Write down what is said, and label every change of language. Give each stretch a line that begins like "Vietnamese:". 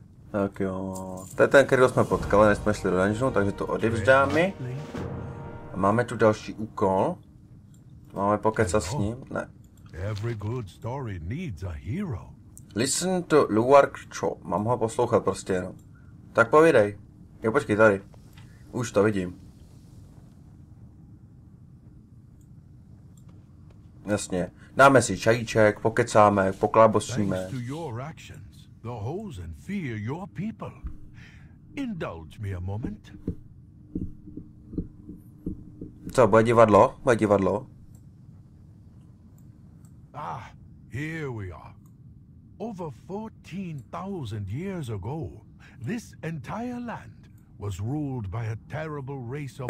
Czech: Tak jo, to je ten, kterýho jsme potkali, než jsme šli do dungeonu, takže to odevzdáme. A máme tu další úkol. Máme pokecat s ním, ne.
English: Every good story needs a hero. Listen to Luark Cho.
Czech: Mám ho poslouchat prostě jenom. Tak povídej. Jo, počkej, tady. Už to vidím. Jasně. Dáme si čajíček, pokecáme, poklábosíme.
English: Thanks to your actions, the Hozen fear your people. Indulge me a moment.
Czech: Co, bude divadlo? Bude divadlo?
English: Ah, here we are. Over 14,000 years ago, this entire land was ruled by a terrible race of